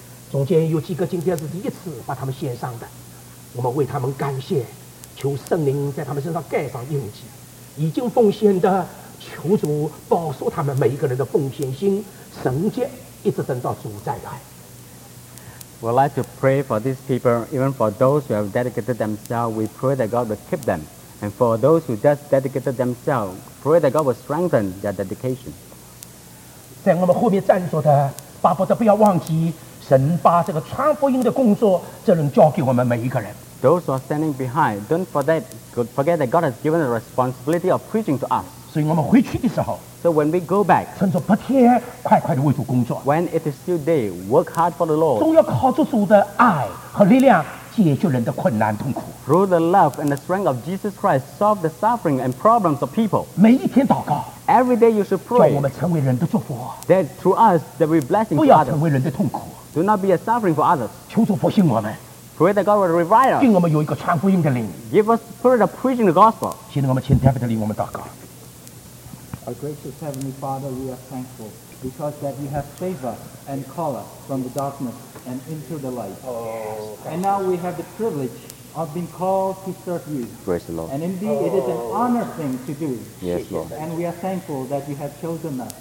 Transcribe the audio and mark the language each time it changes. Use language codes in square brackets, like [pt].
[zh] 中间有几个今天是第一次把他们献上的，我们为他们感谢，求圣灵在他们身上盖上印记。已经奉献的，求主保守他们每一个人的奉献心、圣洁，一直等到主再来。 [en] We'd like to pray for these people, even for those who have dedicated themselves, we pray that God will keep them. And for those who just dedicated themselves, pray that God will strengthen their dedication. [zh] 在我们后面站着的，巴不得不要忘记，神把这个传福音的工作责任交给我们每一个人。 [en] Those who are standing behind, don't forget that God has given the responsibility of preaching to us. [zh] 所以我们回去的时候， [en] So when we go back, [zh] 趁着白天快快地为主工作。 [en] When it is still day, work hard for the Lord. [zh] 总要靠着主的爱和力量解决人的困难痛苦。 [en] Through the love and the strength of Jesus Christ, solve the suffering and problems of people. [zh] 每一天祷告。 [en] Every day you should pray. [zh] 叫我们成为人的祝福。 [en] That through us, that we blessing [zh] others. 不要成为人的痛苦。 [en] Do not be a suffering for others. [zh] 求主复兴我们。 [en] Pray that God will revive us. [zh] 给我们有一个传福音的灵。 [en] Give us spirit of preaching the gospel. [zh] 现在我们请天父的灵我们祷告。 [en] Our gracious Heavenly Father, we are thankful because that you have saved us and called us from the darkness and into the light. Oh, yes. And now we have the privilege of being called to serve you. Praise the Lord. And indeed, it is an honor thing to do. Yes, Lord. And we are thankful that you have chosen us.